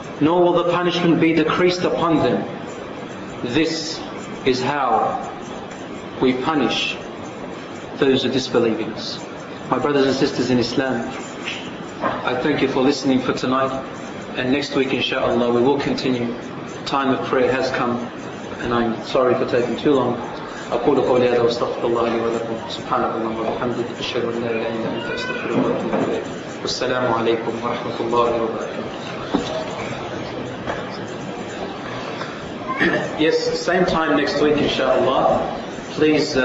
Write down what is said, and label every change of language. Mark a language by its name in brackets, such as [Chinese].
[English] Nor will the punishment be decreased upon them. This is how we punish those who disbelieve in us. My brothers and sisters in Islam, I thank you for listening for tonight. And next week, inshallah, we will continue. Time of prayer has come, and I'm sorry for taking too long. [Arabic] أقول قولي هذا واستغفر الله لي ولكم سبحان الله وبحمده أشهد أن لا إله إلا أنت أستغفرك وأتوب إليك والسلام عليكم ورحمة الله وبركاته. [English] Yes, same time next week, inshallah. Please.